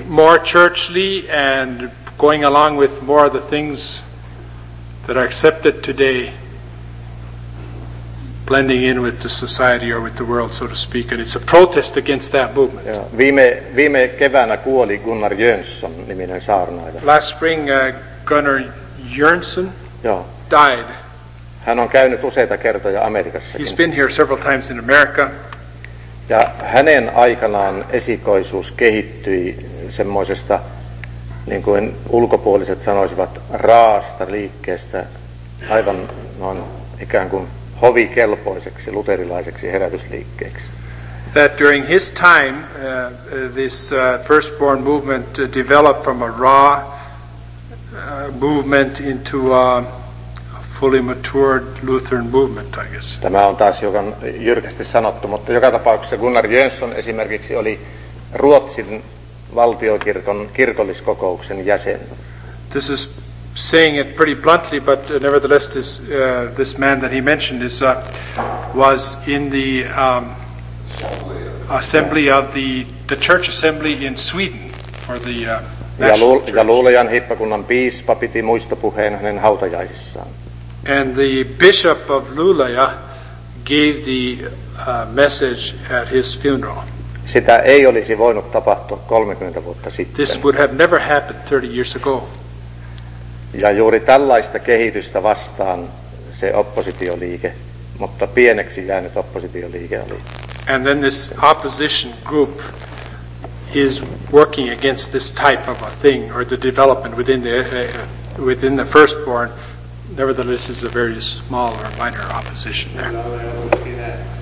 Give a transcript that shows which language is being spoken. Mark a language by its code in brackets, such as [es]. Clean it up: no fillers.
[en] More churchly and going along with more of the things that are accepted today, blending in with the society or with the world, so to speak, and it's a protest against that movement. Yeah. [fi] Viime keväänä kuoli Gunnar Jönsson niminen saarnaaja. [en] Last spring Gunnar Jönsson died. [fi] Hän on käynyt useita kertoja Amerikassa. [en] He's been here several times in America. [fi] Ja hänen aikanaan esikoisuus kehittyi semmoisesta, niin kuin ulkopuoliset sanoisivat, raasta liikkeestä aivan noin ikään kuin hovikelpoiseksi luterilaiseksi herätysliikkeeksi. [en] That during his time this Firstborn movement developed from a raw movement into a fully matured Lutheran movement, I guess. [fi] Tämä on taas hiukan jyrkästi sanottu, mutta joka tapauksessa Gunnar Jönsson esimerkiksi oli Ruotsin valtiokirkon kirkolliskokouksen jäsen. [en] This is saying it pretty bluntly, but nevertheless, this man that he mentioned was in the assembly of the church assembly in Sweden for the [fi] ja Luulajan hiippakunnan piispa piti muistopuheen hänen hautajaisissaan. [en] And the bishop of Luulaja gave the message at his funeral. [fi] Sitä ei olisi voinut tapahtua 30 vuotta sitten. [en] This would have never happened 30 years ago. [fi] Ja juuri tällaista kehitystä vastaan se oppositioliike, mutta pieneksi jäänyt oppositioliike oli. [en] And then this opposition group is working against this type of a thing, or the development within the Firstborn. Nevertheless, is a very small or minor opposition there.